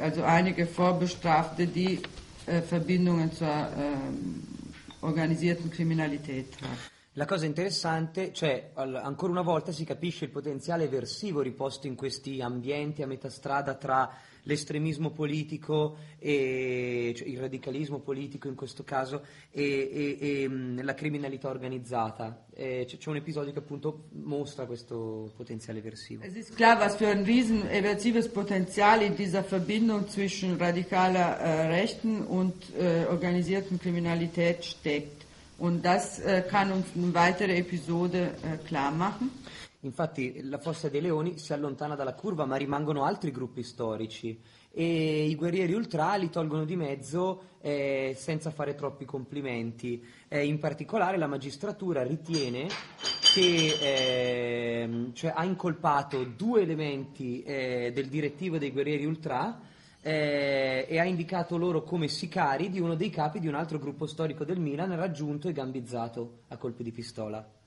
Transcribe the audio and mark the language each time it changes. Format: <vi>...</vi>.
<de>Also einige Vorbestrafte, die Verbindungen zur organisierten Kriminalität haben.</de> <it>La cosa interessante, cioè ancora una volta si capisce il potenziale eversivo riposto in questi ambienti a metà strada tra l'estremismo politico e cioè, il radicalismo politico in questo caso e la criminalità organizzata. C'è un episodio che appunto mostra questo potenziale eversivo.</it> <de>Es ist klar, was für ein riesen eversives Potenzial in dieser Verbindung zwischen radikaler Rechten und organisierten Kriminalität steckt. Und das kann uns eine weitere Episode klar machen.</de> <it>Infatti la Fossa dei Leoni si allontana dalla curva, ma rimangono altri gruppi storici e i guerrieri ultra li tolgono di mezzo senza fare troppi complimenti. In particolare la magistratura ritiene che cioè ha incolpato due elementi del direttivo dei guerrieri ultra e ha indicato loro come sicari di uno dei capi di un altro gruppo storico del Milan raggiunto e gambizzato a colpi di pistola.</it>